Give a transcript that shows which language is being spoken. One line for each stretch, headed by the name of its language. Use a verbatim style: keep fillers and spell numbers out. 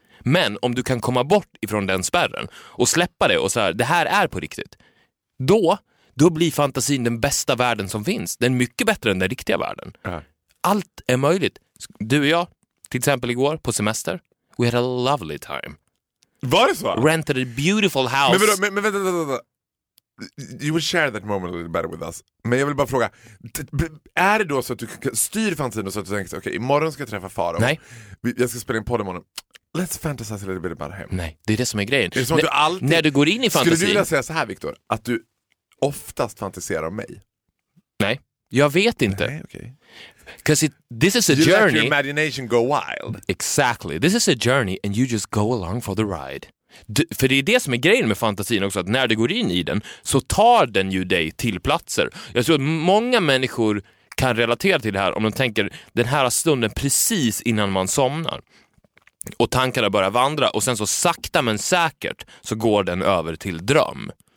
Swedish: Men om du kan komma bort ifrån den spärren och släppa det och så här, det här är på riktigt, då, då blir fantasin den bästa världen som finns. Den är mycket bättre än den riktiga världen. Mm. Allt är möjligt. Du och jag, till exempel igår på semester,
English: we had a lovely time.
Swedish: Var det så?
English: Rented a beautiful house.
Swedish: Men, men, men vänta, vänta, vänta.
English: You will share that moment a little better with us.
Swedish: Men jag vill bara fråga, är det då så att du styr fantasin så att du tänker, okej, okay, imorgon ska jag träffa Faro. Nej. Jag ska spela in podd imorgon.
English: Let's fantasize a little bit about him.
Swedish: Nej, det är det som är grejen. Det är som att när, du alltid, när du går in i fantasin. Skulle du vilja säga så här, Victor, att du oftast fantiserar om mig? Nej, jag vet inte. Nej, okej.
English: Because it, this is a you journey. Let your imagination go wild. Exactly. This is a journey and you just go along for the ride.
Swedish: Du, för det är det som är grejen med fantasin också, att när du går in i den så tar den ju dig till platser. Jag tror att många människor kan relatera till det här om de tänker den här stunden precis innan man somnar. Och tankarna börjar vandra och sen så sakta men säkert så går den över till dröm.